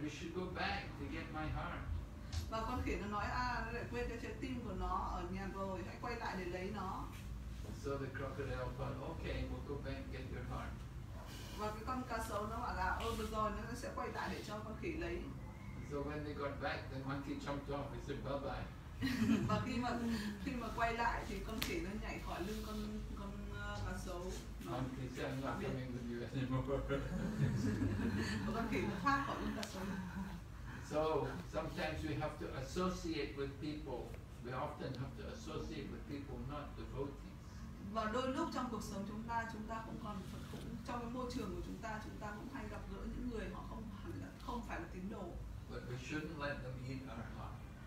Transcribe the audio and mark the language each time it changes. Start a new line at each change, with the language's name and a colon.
English: We should go back to get my heart."
Vietnamese: Và con khỉ nó nói, nó lại quên cái trái tim của nó ở nhà rồi, hãy quay lại để lấy nó.
English: So the crocodile thought, "Okay, we'll go back and get your heart."
Vietnamese: Và cái con cá sấu nó bảo là được rồi, nó sẽ quay lại để cho con khỉ lấy.
English: So when they got back, the monkey jumped off and said, "Bye-bye."
Vietnamese: Và khi mà quay lại thì con khỉ nó nhảy khỏi lưng con cá sấu.
English: Monkey said, "I'm not coming with you anymore."
Vietnamese: Con khỉ nó thoát khỏi lưng cá sấu.
English: So sometimes we have to associate with people. We often have to associate with people not devotees.
Vietnamese: Và đôi lúc trong cuộc sống chúng ta cũng trong cái môi trường của chúng ta cũng hay gặp gỡ những người họ không phải là tín đồ.
English: But we shouldn't let them eat our heart.